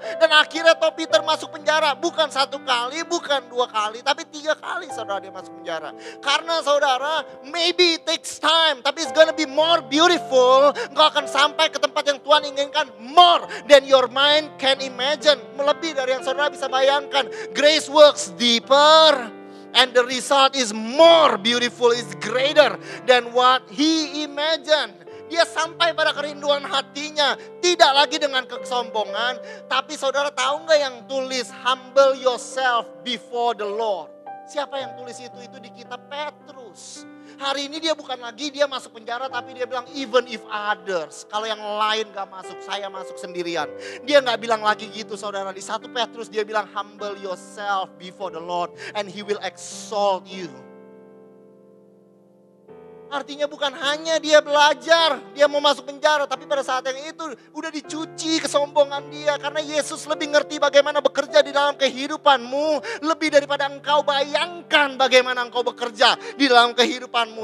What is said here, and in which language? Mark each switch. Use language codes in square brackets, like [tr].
[id] Dan akhirnya Tobi termasuk penjara. Bukan 1 kali, bukan 2 kali, tapi 3 kali, saudara, dia masuk penjara. Karena saudara, [en] maybe it takes time, tapi it's gonna be more beautiful. [id] Engkau akan sampai ke tempat yang Tuhan inginkan, [en] more than your mind can imagine. [id] Melebih dari yang saudara bisa bayangkan. [en] Grace works deeper, and the result is more beautiful, is greater than what he imagined. [id] Dia sampai pada kerinduan hatinya, tidak lagi dengan kesombongan. Tapi saudara tahu gak yang tulis, [en] humble yourself before the Lord. [id] Siapa yang tulis itu? Itu di kitab Petrus. Hari ini dia bukan lagi, dia masuk penjara, tapi dia bilang, [en] even if others, [id] kalau yang lain gak masuk, saya masuk sendirian. Dia gak bilang lagi gitu, saudara. Di 1 Petrus dia bilang, [en] humble yourself before the Lord and he will exalt you. [id] Artinya bukan hanya dia belajar, dia mau masuk penjara, tapi pada saat yang itu udah dicuci kesombongan dia. Karena Yesus lebih ngerti bagaimana bekerja di dalam kehidupanmu, lebih daripada engkau bayangkan bagaimana engkau bekerja di dalam kehidupanmu.